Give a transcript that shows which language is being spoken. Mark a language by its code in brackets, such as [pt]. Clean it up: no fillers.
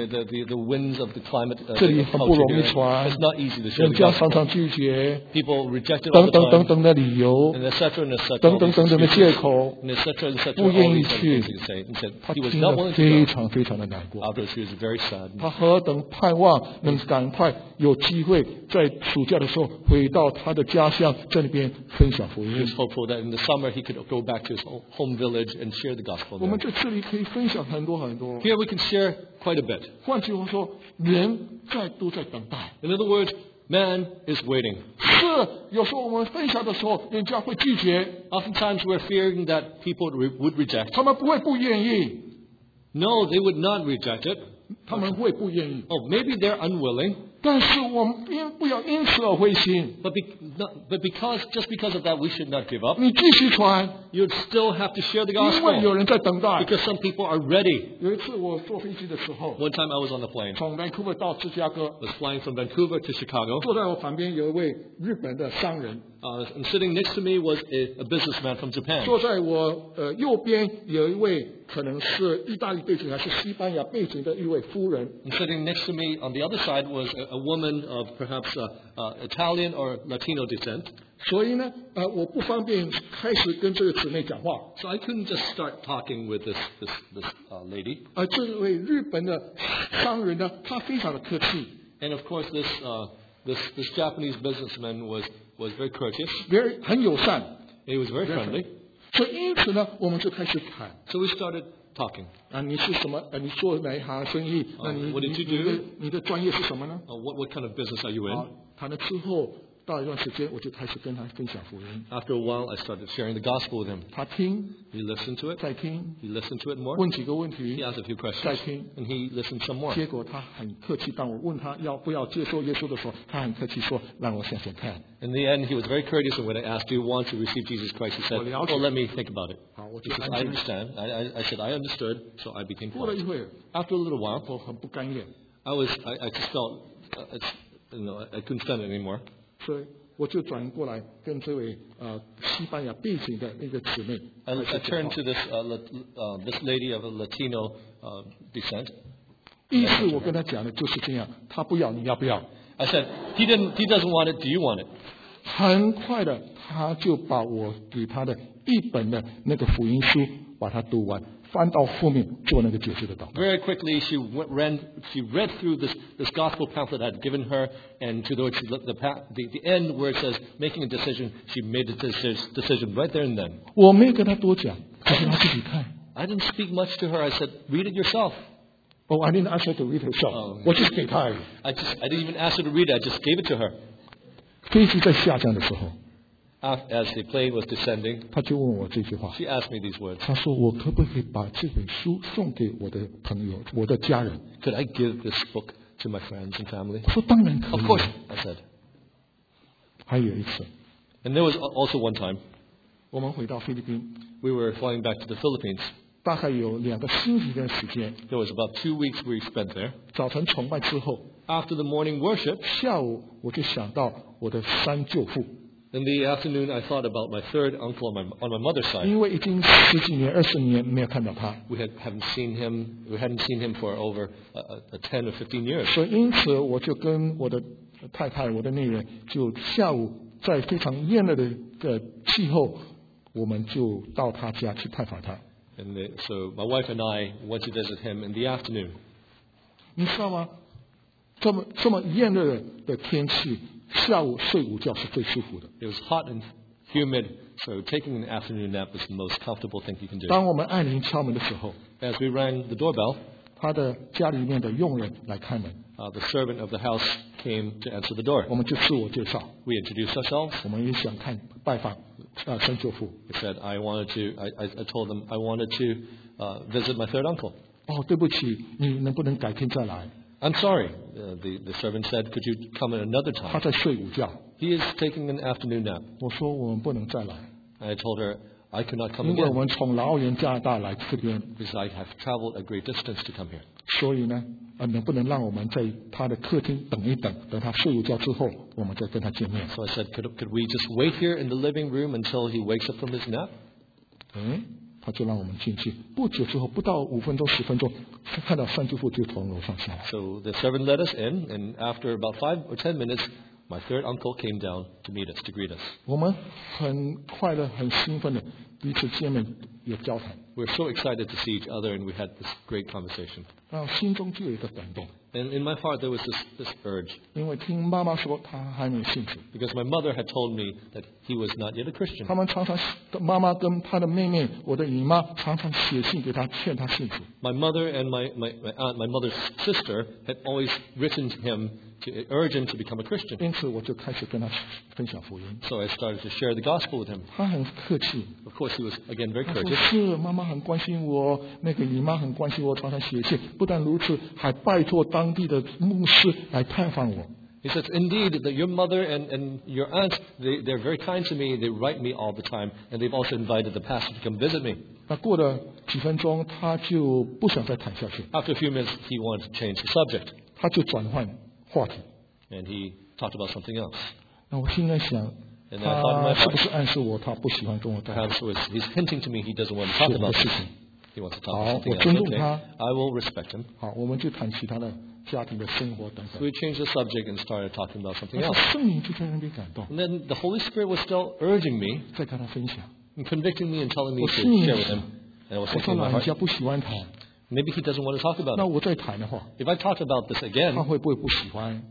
[en] the winds of the climate, [zh] 这里很不容易传， [en] it's not easy to share. [zh] 人家常常拒绝， [en] people reject it, [zh] 等等等等的理由， [en] and et cetera, and et cetera, [zh] 等等等等的借口， [en] and et cetera, and et cetera, [zh] 不愿意去。他听了非常非常的难过， [en] obviously he was very sad. [zh] 他何等盼望能赶快有机会在暑假的时候回到他的家乡，在那边分享福音。 [en] That in the summer he could go back to his home village and share the gospel there. [zh] 我们在这里可以分享很多很多。 [en] Here we can share quite a bit. [zh] 换句话说，人在都在等待。 [en] In other words, man is waiting. [zh] 是，有时候我们分享的时候，人家会拒绝。 [en] Oftentimes we're fearing that people would reject. [zh] 他们不会不愿意。 [en] No, they would not reject it. [zh] 他们会不愿意。 [en] Oh, maybe they're unwilling. [zh] 但是我们不要因此而灰心。 [en] But because just because of that, we should not give up. [zh] 你继续传。 [en] You'd still have to share the gospel. [zh] 因为有人在等待。 [en] Because some people are ready. [zh] 有一次我坐飞机的时候。 [en] One time I was on the plane. [zh] 从 Vancouver 到芝加哥。 [en] Was flying from Vancouver to Chicago. [zh] 坐在我旁边有一位日本的商人。 [en] And sitting next to me was a businessman from Japan. [zh] 坐在我右边有一位可能是意大利背景还是西班牙背景的一位夫人。 [en] And sitting next to me on the other side was a woman of perhaps Italian or Latino descent. [zh] 所以呢，我不方便开始跟这个姊妹讲话。 [en] So I couldn't just start talking with this lady. [zh] 这位日本的商人呢，他非常的客气。 [en] And of course, this Japanese businessman was very courteous. Very [zh] 很友善。 [en] He was very friendly. [zh] 所以因此呢，我们就开始谈。 [en] So we started. Talking. [zh] 啊，你是什么？你做哪一行生意？那你 [en] what did you do? [zh] 你的专业是什么呢？ [en] What kind of business are you in? [zh] 谈了之后，到一段时间，我就开始跟他分享福音。 [en] After a while, I started sharing the gospel with him. [zh] 他听 [en] ，He listened to it. [zh] 再听 [en] ，He listened to it more. [zh] 问几个问题 [en] ，He asked a few questions. [zh] 再听 [en] ，And he listened some more. [zh] 结果他很客气，当我问他要不要接受耶稣的时候，他很客气说，让我想想看。 [en] In the end, he was very courteous, and when I asked, "Do you want to receive Jesus Christ?" he said, "Oh, let me think about it." He says, "I understand." I said, "I understood," so I became quiet. [zh] 过了一会儿 [en] ，After a little while, [zh] 我很不甘愿 [en] I just felt, I couldn't stand it anymore. [zh] 所以我就转过来跟这位西班牙背景的那个姊妹 [en] I turned to this this lady of a Latino descent. [zh] 意思我跟她讲的就是这样，她不要，你要不要？ [en] I said, he doesn't want it, do you want it? [zh] 很快的他就把我给他的一本的那个福音书把它读完，翻到后面做那个解释的道。 [en] Very quickly, she read through this gospel pamphlet I had given her, and to the end where it says making a decision, she made a decision right there and then. [zh] 我没跟他多讲，可是他自己看。 [en] I didn't speak much to her, I said, read it yourself. Oh, I didn't ask her to read herself. I didn't even ask her to read it. I just gave it to her. [zh] 飞机在下降的时候 [en] as the plane was descending, [zh] 她就问我这句话 [en] She asked me these words. [zh] 她说我可不可以把这本书送给我的朋友，我的家人 [en] Could I give this book to my friends and family? [zh] 我说当然可以 [en] Of course, I said. [zh] 还有一次 [en] And there was also one time. [zh] 我们回到菲律宾 [en] We were flying back to the Philippines. [zh] 大概有两个星期的时间。 [en] There was about 2 weeks we spent there. [zh] 早晨崇拜之后 [en] ，After the morning worship， [zh] 下午我就想到我的三舅父。 [en] In the afternoon, I thought about my third uncle on my mother's side. [zh] 因为已经十几年、二十年没有看到他。 [en] We hadn't seen him for over 10 or 15 years. [zh] 所以因此我就跟我的太太、我的内人，就下午在非常炎热的气候，我们就到他家去探访他。 [en] And so my wife and I went to visit him in the afternoon. [zh] 你知道吗？这么炎热的天气，下午睡午觉是最舒服的。 [en] It was hot and humid, so taking an afternoon nap was the most comfortable thing you can do. [zh] 当我们按铃敲门的时候 [en] ，As we rang the doorbell, [zh] 他的家里面的佣人来开门。 [en] The servant of the house came to answer the door. [zh] 我们就自我介绍。 [en] We introduced ourselves. [zh] 我们也想看拜访。三舅父 [en] He said, I told them I wanted to visit my third uncle. [zh] 哦，对不起，你能不能改天再来 [en] ？I'm sorry. The servant said, could you come in another time? [zh] 他在睡午觉。 [en] He is taking an afternoon nap. [zh] 我说我们不能再来。 [en] I told her I could not come again. [zh] 因为我们从老远加拿大来这边。 [en] Because I have traveled a great distance to come here. [zh] 所以呢，能不能让我们在他的客厅等一等，等他睡午觉之后，我们再跟他见面 [en] ？So I said, could we just wait here in the living room until he wakes up from his nap？ [zh] 他就让我们进去。不久之后，不到五分钟、十分钟，看到三舅父就从楼上下来。 [en] So the servant let us in, and after about 5 or 10 minutes, my third uncle came down to meet us, to greet us. [zh] 我们很快乐、很兴奋的彼此见面。 [en] We're so excited to see each other, and we had this great conversation. [zh] 心中就有一个感动。 [en] And in my heart, there was this urge. [zh] 因为听妈妈说她还没有信主。 [en] Because my mother had told me that he was not yet a Christian. [zh] 他们常常，妈妈跟她的妹妹，我的姨妈，常常写信给她，劝她信主。 [en] My mother and my aunt, my mother's sister, had always written to him to urge him to become a Christian. [zh] 因此我就开始跟她分享福音。 [en] So I started to share the gospel with him. [zh] 她很客气。 [en] Of course, he was again very courteous. [zh] 是妈妈很关心我，那个姨妈很关心我，常常写信。不但如此，还拜托当地的牧师来探访我。 [en] He says, indeed, that your mother and your aunt, they're very kind to me. They write me all the time, and they've also invited the pastor to come visit me. [zh] 那过了几分钟，他就不想再谈下去。 [en] After a few minutes, he wanted to change the subject. [zh] 他就转换话题。 [en] And he talked about something else. [zh] 那我心里想。是不是暗示我他不喜欢跟我谈 [en] ？Perhaps he's hinting to me he doesn't want to talk about this. He wants to talk about something else. [zh] 好，我尊重他。 [en] I will respect him. [zh] 好，我们就谈其他的家庭的生活等等。 [en] We changed the subject and started talking about something else. [zh] 圣灵就在那边感动。 [en] And then the Holy Spirit was still urging me. [zh] 再跟他分享。 [en] And convicting me and telling me to share with him. And I was thinking in my heart. [zh] 我说老人家不喜欢谈。 [en] Maybe he doesn't want to talk about it. [zh] 那我再谈的话 [en] ，If I talk about this again, [zh] 他会不会不喜欢